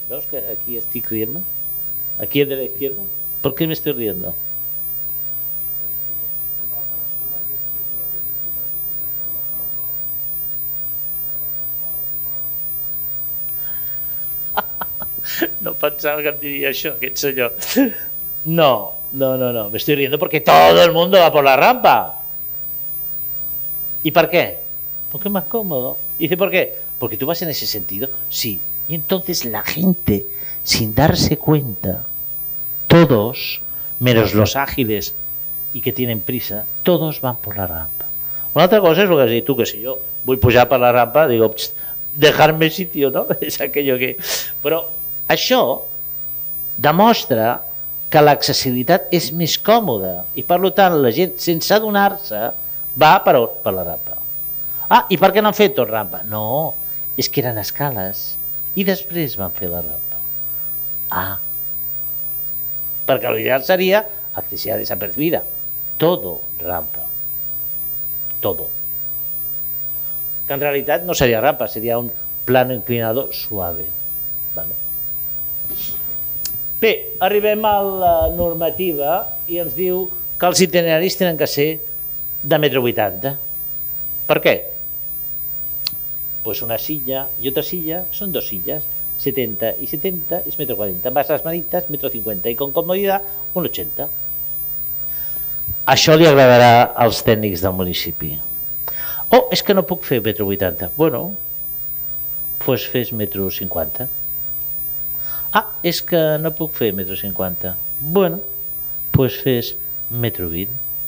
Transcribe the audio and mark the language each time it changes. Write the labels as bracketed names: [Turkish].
[Catalan] Veus que aquí estic [Spanish] riendo? Aquí de la izquierda? ¿Por qué me estoy riendo? [Catalan] No pensava que em diria això, aquest senyor. No, no, no, no. [Spanish] Me estoy riendo porque todo el mundo va por la rampa. ¿Y por qué? Porque es más cómodo. Y dice, ¿por qué? Porque tú vas en ese sentido. Sí. Y entonces la gente, sin darse cuenta, todos, menos los ágiles y que tienen prisa, todos van por la rampa. Una otra cosa es lo que has dicho tú, que si yo voy pujar por la rampa, digo, dejarme sitio, ¿no? Es aquello que... Pero... [Catalan] Això demostra que l'accessibilitat és més còmoda i per tant la gent sense adonar-se va per la rampa. Ah, i per què no han fet tot rampa? No, és que eren escales i després van fer la rampa. Ah, perquè l'ideal seria accessibilitat desapercibida. [Spanish] Todo rampa. Todo. [Catalan] Que en realitat no seria rampa, [Spanish] seria un plano inclinado suave. Vale. [Catalan] Bé, arribem a la normativa i ens diu que els itineraris tenen que ser de 1,80 m. Per què? [Spanish] Pues una silla i otra silla són dos sillas, 70 i 70 és 1,40 m. [Catalan] Amb les manitas, 1,50 m i [Spanish] con comodidad, [Catalan] 1,80 m. Això li agradarà als tècnics del municipi. Oh, és que no puc fer 1,80 m. Bueno, pues fes 1,50 m. Ah, és que no puc fer 1,50 m. Bueno, pues fes 1,20 m.